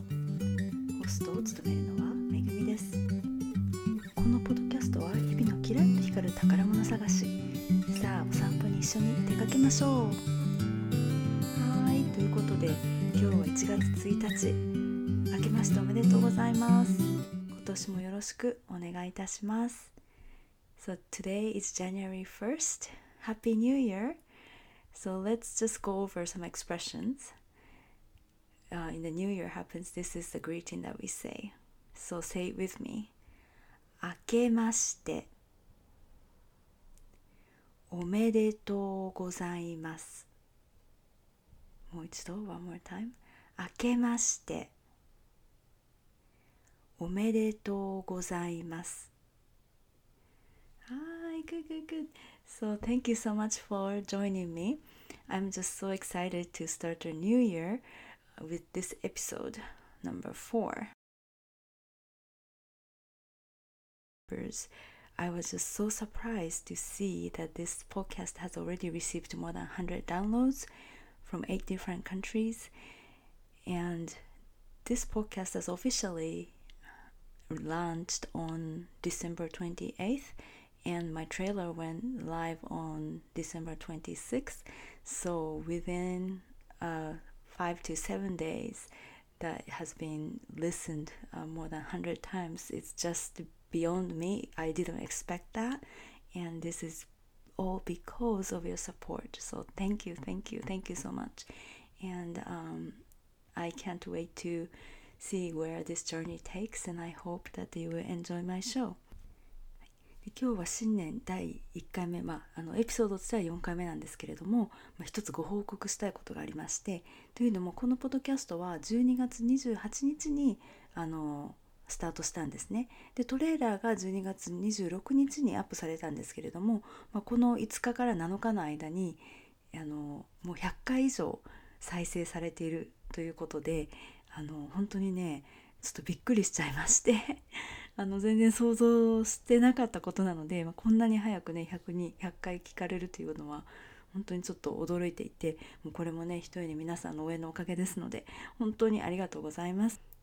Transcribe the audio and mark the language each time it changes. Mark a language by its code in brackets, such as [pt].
[ja] ホストを務めるのはめぐみです。このポッドキャストは日々のキラッと光る宝物探し、さあお散歩に一緒に出かけましょう。はい、ということで今日は1月1日、明けましておめでとうございます。今年もよろしくお願いいたします。 [en] So today is January 1st. Happy New Year. So let's just go over some expressionsin the new year happens, this is the greeting that we say. So say it with me. [ja] 明けましておめでとうございます。もう一度、 [en] one more time. [ja] 明けましておめでとうございます。 [en] Hi, good, good, good. So thank you so much for joining me. I'm just so excited to start a new yearwith this episode number 4. I was just so surprised to see that this podcast has already received more than 100 downloads from 8 different countries, and this podcast has officially launched on December 28th, and my trailer went live on December 26th, so within a 5 to 7 days that has been listened more than 100 times. It's just beyond me. I didn't expect that. And this is all because of your support. So thank you, thank you, thank you so much. And I can't wait to see where this journey takes. And I hope that you will enjoy my show. [ja] 今日は新年第1回目、エピソードとしては4回目なんですけれども、一つご報告したいことがありまして、というのもこのポッドキャストは12月28日にスタートしたんですね。でトレーラーが12月26日にアップされたんですけれども、この5日から7日の間にもう100回以上再生されているということで、本当にねちょっとびっくりしちゃいまして全然想像してなかったことなので、こんなに早くね 100回聞かれるというのは本当にちょっと驚いていて、もうこれもね一人に皆さんの応援のおかげですので本当にありがとうございます。